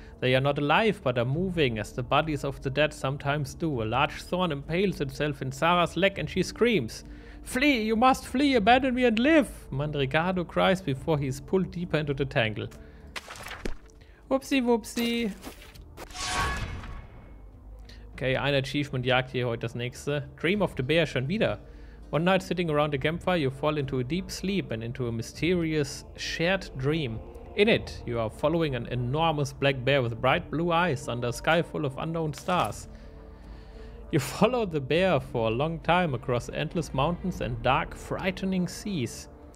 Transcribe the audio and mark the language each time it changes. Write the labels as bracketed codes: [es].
[en] They are not alive, but are moving, as the bodies of the dead sometimes do. A large thorn impales itself in Sarah's leg and she screams. Flee, you must flee, abandon me and live! Mandrigado cries before he is pulled deeper into the tangle. Whoopsie whoopsie. [de] Okay, ein Achievement jagt hier heute das nächste. Dream of the Bear schon wieder. [en] One night sitting around a campfire, you fall into a deep sleep and into a mysterious shared dream. In it, you are following an enormous black bear with bright blue eyes under a sky full of unknown stars. You follow the bear for a long time across endless mountains and dark, frightening seas.